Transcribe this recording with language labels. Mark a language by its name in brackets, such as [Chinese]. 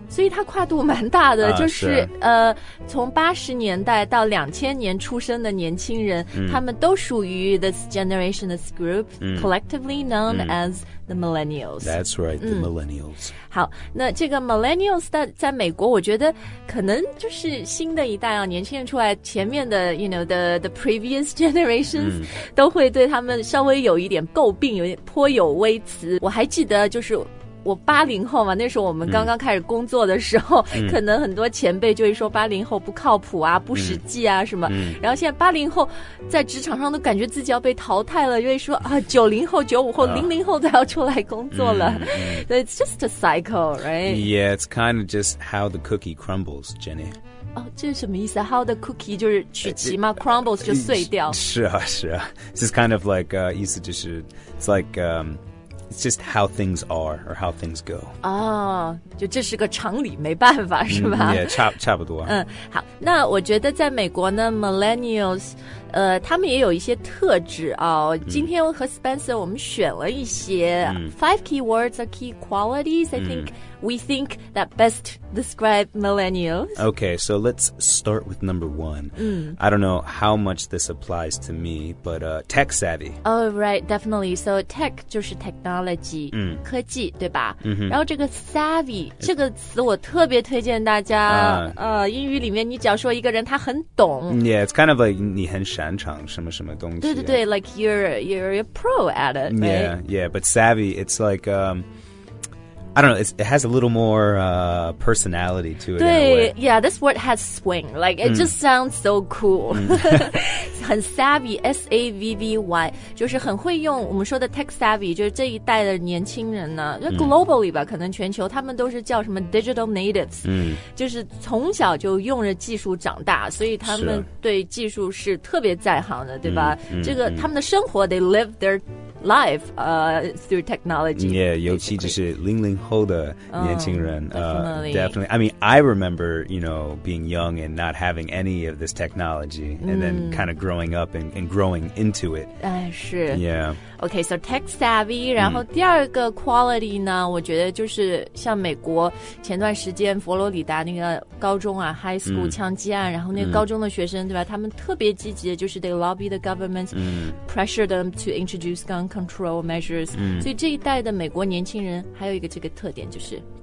[Chinese] 所以它跨度蛮大的，就是从八十年代到两千年出生的年轻人，他们都属于 [English] this generation, this group. Collectively known as the millennials. That's right, the millennials. [Chinese] 好，那这个 millennials 在美国，我觉得可能就是新的一代啊，年轻人出来，前面的 [English] you know the previous generations [Chinese] 都会对他们稍微有一点诟病，有点颇有微词。我还记得就是。我八零后嘛，那时候我们刚刚开始工作的时候，可能很多前辈就会说八零后不靠谱啊，不实际啊什么。然后现在八零后在职场上都感觉自己要被淘汰了，因为说啊，九零后、九五后、零零后都要出来工作了。 [English] So it's just a cycle, right? Yeah, it's kind of just how the cookie crumbles, Jenny. [Chinese] 这是什么意思 [English] How the cookie [Chinese] 就是曲奇吗 Crumbles 就碎掉。是啊，是啊。 [English] It's just kind of like, [Chinese] 意思就是 [English] it's like, It's just how things are or how things go. [Chinese] 哦、就这是个常理没办法是吧、 yeah, 差不多。好，那我觉得在美国呢 ,millennials, 他们也有一些特质啊、今天和 Spencer 我们选了一些 [English] five key words or key qualities, I think we think that best describe millennials. Okay, so let's start with number one. I don't know how much this applies to me, but tech savvy. Oh, right, definitely. [Chinese] So tech 就是 technology, 科技对吧、然后这个 savvy, 这个词我特别推荐大家。英语里面你只要说一个人他很懂。 [English] Yeah, it's kind of like [Chinese] 你很擅长什么什么东西、对对对 [English] like you're a pro at it, yeah, right? Yeah, yeah, but savvy, it's like... I don't know, it has a little more personality to it. 对 yeah, this word has swing. Like, it just sounds so cool. [Chinese] 很 savvy, S-A-V-V-Y. 就是很会用我们说的 tech savvy, 就是这一代的年轻人呢。就 globally 吧、可能全球他们都是叫什么 digital natives.、就是从小就用着技术长大，所以他们对技术是特别在行的，对吧？这个他们的生活 [English] they live their live through technology. [Chinese] Yeah, 尤其就是零零后的年轻人、 [English] definitely. I mean, I remember, you know, being young and not having any of this technology and then kind of growing up and growing into it. [Chinese] 是 [English] Yeah. Okay, so tech savvy. [Chinese] 然后第二个 quality 呢、嗯、我觉得就是像美国前段时间佛罗里达那个高中啊 high school、嗯、枪击案然后那个高中的学生、嗯、对吧他们特别积极的就是 [English] they lobby the government、 [Chinese] 嗯、 [English] pressure them to introduce gun control measures、 [Chinese] 嗯、所以这一代的美国年轻人还有一个这个特点就是